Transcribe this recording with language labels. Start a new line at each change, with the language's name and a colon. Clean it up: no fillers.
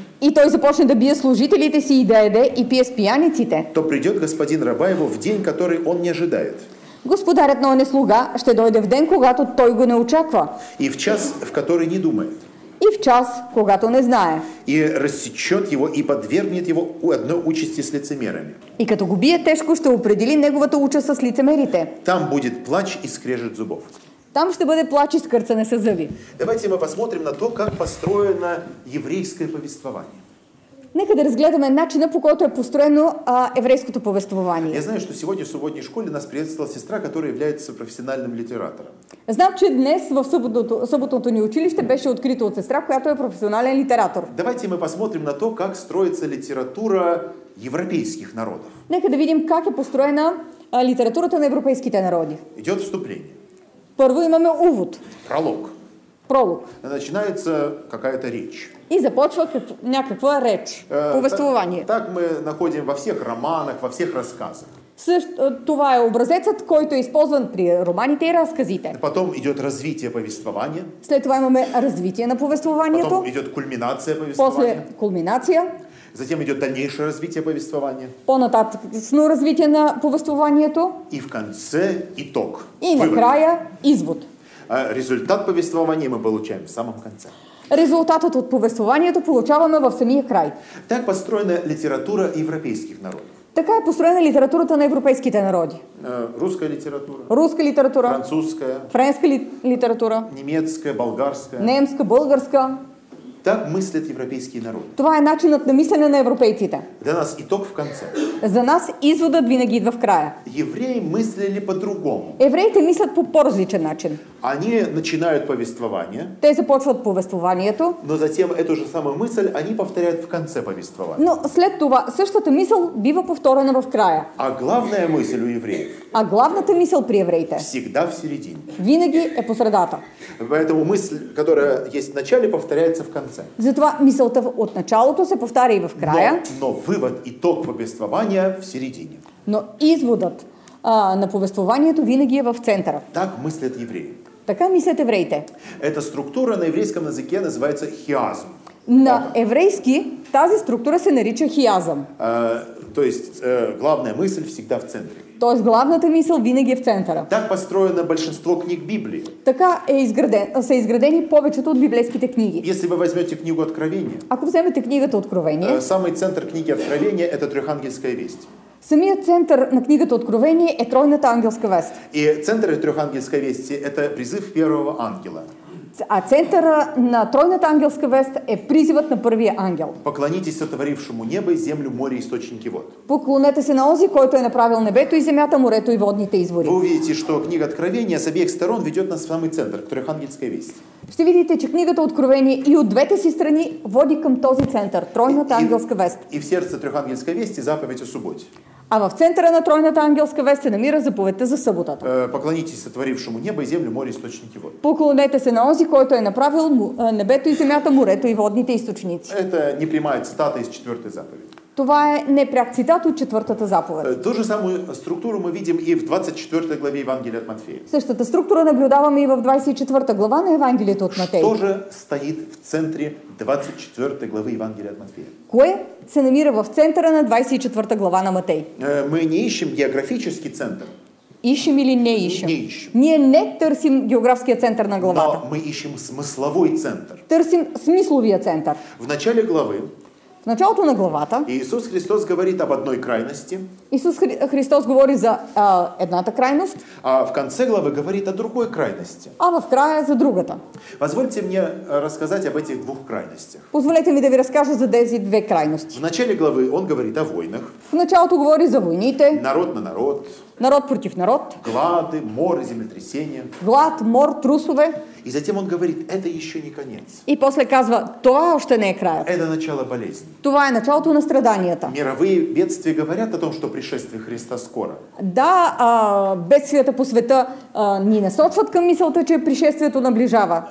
Bulgarian: И той започне да бие служителите си и да еде и пие с пияниците.
Russian: То придет господин раба его в день, который он не ожидает.
Bulgarian: Господарят на он е слуга, ще дойде в ден, когато той го не очаква.
Russian: И в час, в который не думает.
Bulgarian: И в час, когато не знае.
Russian: И рассечет его и подвергнет его одной участи с лицемерами.
Bulgarian: И като го бие тежко, ще определи неговата участ с лицемерите.
Russian: Там будет плач и скрежет зубов.
Bulgarian: Там ще бъде плач и скърцане със зъби.
Russian: Давайте мы посмотрим на то, как построено еврейское повествование.
Bulgarian: Нека да разгледаме начина, по който е построено еврейското повествование.
Russian: Я знаю, что сегодня в субботней школе нас приветствовала сестра, которая является профессиональным литератором.
Bulgarian: Знам, че днес в субботното ни училище беше открито от сестра, която е професионален литератор.
Russian: Давайте мы посмотрим на то, как строится литература европейских народов.
Bulgarian: Нека да видим как е построена литературата на европейските народи.
Russian: Идет вступление.
Bulgarian: Първо имаме увод.
Russian: Пролог.
Bulgarian: Пролог.
Russian: Начинается какая-то речь.
Bulgarian: И започва някаква реч, повествование.
Russian: Так мы находим во всех романах, во всех рассказах.
Bulgarian: Това е образецът, който е използван при романите и разказите.
Russian: Потом идет развитие повествования.
Bulgarian: След това имаме развитие на повествованието.
Russian: Потом идет кульминация повествования.
Bulgarian: После кульминация.
Russian: Затем идет дальнейшее развитие повествования.
Bulgarian: По-нататъчно развитие на повествованието.
Russian: И в конце итог.
Bulgarian: И накрая извод.
Russian: Результат повествования мы получаем в самом конце.
Bulgarian: Резултатът от повествованието получаваме в самия край.
Russian: Так построена литература европейских народов.
Bulgarian: Така е построена литературата на европейските народи.
Russian: Руская литература.
Bulgarian: Руска литература.
Russian: Французская.
Bulgarian: Френская литература.
Russian: Немецкая, болгарская.
Bulgarian: Немска, българска.
Russian: Так мыслят европейские народы.
Bulgarian: Това е начинът на мислене на европейците.
Russian: Для нас итог в конце.
Bulgarian: За нас изводът винаги идва в края.
Russian: Евреи мыслили по-другому.
Bulgarian: Евреите мислят по-различен начин.
Russian: Они начинают повествование.
Bulgarian: Те започват повествованието.
Russian: Но затем эту же самую мысль они повторяют в конце повествования.
Bulgarian: Но след това същата мисъл бива повторена в края.
Russian: А главная мысль у евреев.
Bulgarian: А главната мисъл при евреите.
Russian: Всегда в середине.
Bulgarian: Винаги е по средата.
Russian: Поэтому мысль, которая есть в начале, повторяется в конце.
Bulgarian: Затова мисълта от началото се повтаря и в края.
Russian: Но вывод, итог повествования в середине.
Bulgarian: Но изводът на повествованието винаги е в центъра.
Russian: Так мыслят евреи.
Bulgarian: Така мислят евреите.
Russian: Эта структура на еврейском языке называется хиазм.
Bulgarian: На еврейски тази структура се нарича хиазъм.
Russian: То есть главная мысль всегда в центре.
Bulgarian: Тоест главната мисъл винаги е в центъра.
Russian: Так построено большинство книг Библии.
Bulgarian: Така са изградени повечето от библейските книги.
Russian: Если вы возьмете книгу Откровения.
Bulgarian: Ако вземете книгата Откровение.
Russian: Самый центр книги Откровения это Трехангельская весть.
Bulgarian: Самият център на книгата Откровение е Тройната ангелска вест.
Russian: И центъра Трехангелской вести это призыв первого ангела.
Bulgarian: А центъра на Тройната ангелска вест е призивът на първия ангел.
Russian: Поклонитесь сотворившему небо и землю, море и источники вод.
Bulgarian: Поклонете се на онзи, който е направил небето и земята, морето и водните извори.
Russian: Вы увидите, что книга Откровения с обеих сторон ведет нас в самый центр, к Трехангелской вести.
Bulgarian: Ще видите, че книгата Откровение и от двете си страни води към този център, Тройната ангелска вест.
Russian: И в сердце Трехангелской вести заповедь о субботе.
Bulgarian: А в центъра на Тройната ангелска вест се намира заповедта за съботата.
Russian: Поклонитесь сотворившему небо и землю, море и источники вод.
Bulgarian: Поклонете се на онзи, който е направил небето и земята, морето и водните източници.
Russian: Это не прямая цитата из четвертой заповеди.
Bulgarian: Това е непряк цитат от четвъртата заповед.
Russian: То же самую структуру мы видим и в 24 главе Евангелия от Матфея.
Bulgarian: Същата структура наблюдаваме и в 24 глава на Евангелието от Матфея.
Russian: Что же стоит в центре 24 главы Евангелия от Матфея?
Bulgarian: Кое се намира в центъра на 24 глава на Матфея?
Russian: Мы не ищем географический центр. Ищем или не ищем? Не ищем.
Bulgarian: Ние не търсим географския център на главата.
Russian: Но мы ищем смысловой центр.
Bulgarian: Търсим смисловия център.
Russian: В начале главы.
Bulgarian: В началото на главата.
Russian: Иисус Христос говорит об одной крайности.
Bulgarian: Иисус Христос говори за едната крайност.
Russian: А в конце главы говорит о другой крайности.
Bulgarian: А в края за другата.
Russian: Позвольте мне рассказать об этих двух крайностях.
Bulgarian: Позволете ми да ви разкажа за тези две крайности.
Russian: В начале главы он говорит о войнах.
Bulgarian: В началото говори за войните.
Russian: Народ на народ.
Bulgarian: Народ против народ.
Russian: Глады, моры, землетрясения.
Bulgarian: Глад, мор, трусове.
Russian: И затем он говорит, это еще не конец.
Bulgarian: И после казва, това още не е краят.
Russian: Это начало болезни.
Bulgarian: Това е началото на страданията.
Russian: Мировые бедствия говорят о том, что пришествие Христа скоро.
Bulgarian: Да, бедствията по света ни насочват към мисълта, че пришествието наближава.